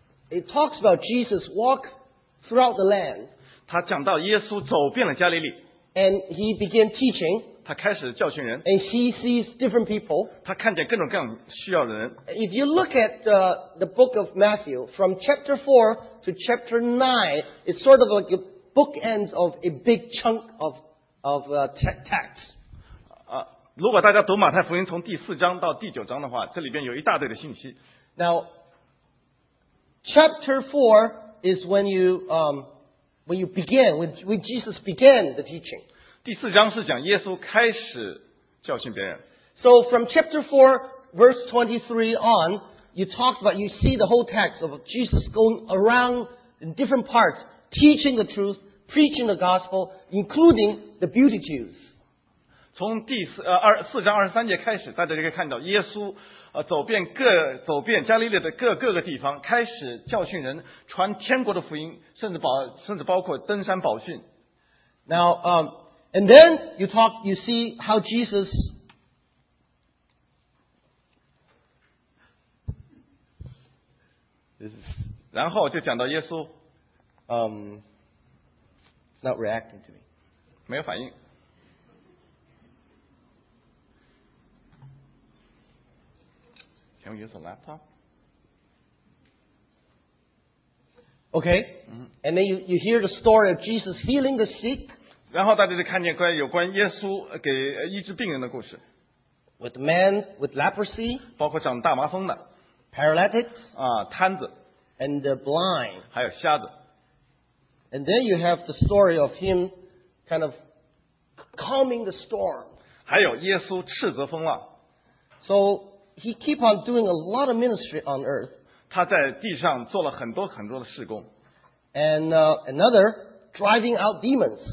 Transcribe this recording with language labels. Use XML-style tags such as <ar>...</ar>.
<en>It talks about Jesus walked throughout the land.</en> <zh>他讲到耶稣走遍了加利利。</zh> <en>And he began teaching.</en> <zh>他开始教训人。</zh> <en>And he sees different people.</en> <zh>他看见各种各样需要的人。</zh> <en>If you look at the book of Matthew, from chapter 4 to chapter 9, it's sort of like a bookend of a big chunk of text.</en> <zh>如果大家读马太福音从第四章到第九章的话，这里边有一大堆的信息。</zh> <en>Now, chapter 4 is when you begin when Jesus began the teaching.</en> <zh>第四章是讲耶稣开始教训别人。</zh> <en>So from chapter 4 verse 23 on, you talk about you see the whole text of Jesus going around in different parts, teaching the truth, preaching the gospel, including the beatitudes.</en> <zh>从第四章二十三节开始，大家就可以看到耶稣走遍加利利的各个地方，开始教训人，传天国的福音，甚至包括登山宝训。</zh> <en>Now, and then you see how Jesus. This is.</en> <zh>然后就讲到耶稣。</zh> <en>Not reacting to me.</en> <zh>没有反应。</zh> <en>Can we use a laptop? Okay. Mm-hmm. And then you hear the story of Jesus healing the sick.</en> <zh>然后大家就看见有关耶稣给医治病人的故事。</zh> <en>With men with leprosy.</en> <zh>包括长大麻风的。</zh> <en>Paralytics.</en> <zh>瘫子。</zh> <en>And the blind.</en> <zh>还有瞎子。</zh> <en>And then you have the story of him kind of calming the storm.</en> <zh>还有耶稣斥责风浪。</zh> <en>So,He keep on doing a lot of ministry on earth.</en> <zh>他在地上做了很多很多的事工。</zh> <en>And another, driving out demons.</en>